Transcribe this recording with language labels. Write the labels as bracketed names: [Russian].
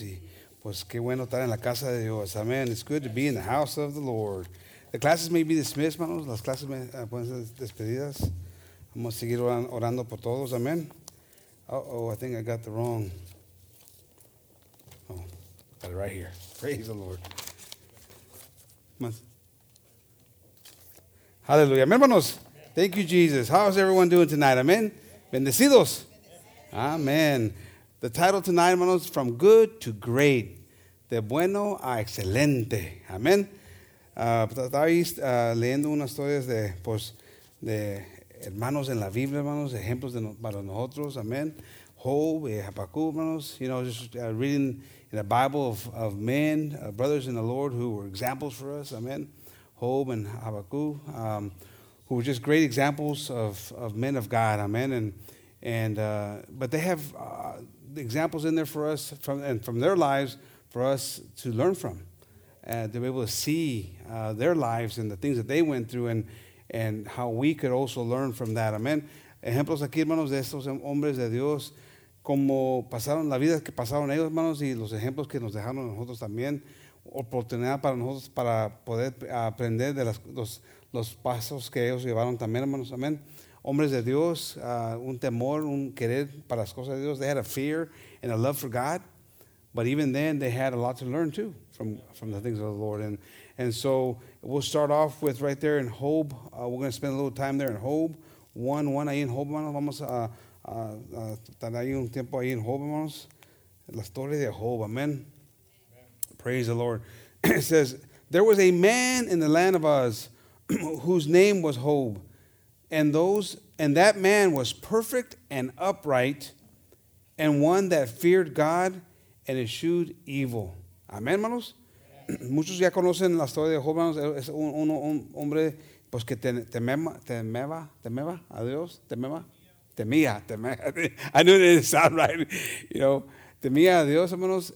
[Spanish] Y pues qué bueno estar en la casa de Dios. Amen. [English] It's good to be in the house of the Lord. The classes may be dismissed, hermanos. [Spanish] Las clases pueden ser despedidas. Vamos a seguir orando por todos. Amen. [English] Uh-oh, I think I got the wrong. Oh, got it right here. Praise the Lord. Hallelujah. Amen, hermanos. Thank you, Jesus. How is everyone doing tonight? Amen. Bendecidos. Amen. The title tonight, hermanos, from good to great. [Spanish] De bueno a excelente. Amen. Estaba leyendo unas historias de, pues, de hermanos en la Biblia, hermanos, ejemplos de para nosotros, amén. [English] Job, Habacuc, hermanos, you know, just reading in the Bible of men, brothers in the Lord who were examples for us, amén. Job and Habacuc, who were just great examples of men of God, amén. But they have examples in there for us from their lives for us to learn from. To be able to see their lives and the things that they went through and how we could also learn from that. Amen. [Spanish] Ejemplos aquí, hermanos, de estos hombres de Dios, como pasaron la vida que pasaron ellos, hermanos, y los ejemplos que nos dejaron nosotros también, oportunidad para nosotros para poder aprender de los pasos que ellos llevaron también, hermanos. Amen. Hombres de Dios, un temor, un querer para las cosas de Dios. [English] They had a fear and a love for God. But even then, they had a lot to learn, too, from the things of the Lord. And so we'll start off with right there in Job. We're going to spend a little time there in Job. [Spanish] 1:1, ahí en Job, hermanos. Vamos a estar ahí un tiempo ahí en Job, hermanos. La historia de Job. Amen. [English] Praise the Lord. It says, there was a man in the land of Uz whose name was Job. And that man was perfect and upright and one that feared God and eschewed evil. [Spanish] Amén, hermanos. Muchos ya conocen la historia de Job, hermanos. Es un hombre pues que temeba a Dios. [English] Temía. I knew it didn't sound right. You know, [Spanish] temía a Dios, hermanos.